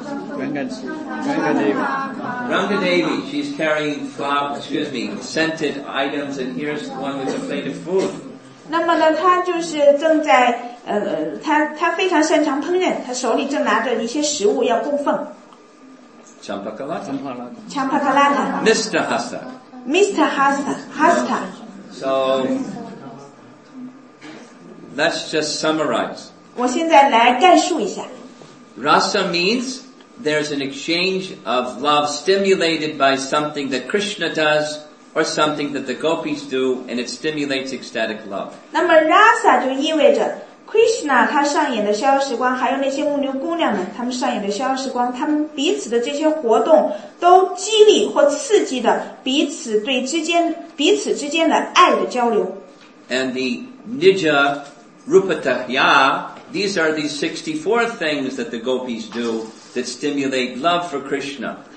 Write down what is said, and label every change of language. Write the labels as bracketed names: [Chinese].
[English] Ranga Devi, she's carrying flowers, excuse me, scented items, and here's one with a plate of food. [Chinese] 那么呢，她就是正在她非常擅长烹饪，她手里正拿着一些食物要供奉。 [English] Champakalata. Champakalata. Mr. Hasta. Mr. Hasta. Hasta. So, let's just summarize. [Chinese] 我现在来概述一下。 [English] Rasa means there's an exchange of love stimulated by something that Krishna does or something that the gopis do, and it stimulates ecstatic love. [Chinese] 那么 Rasa 就意味着 Krishna 他上演的逍遥时光，还有那些牧牛姑娘们他们上演的逍遥时光，他们彼此的这些活动都激励或刺激的彼此之间的爱的交流。 [English] And the Nija Rupatahya, these are the 64 things that the gopis do that stimulate love for Krishna.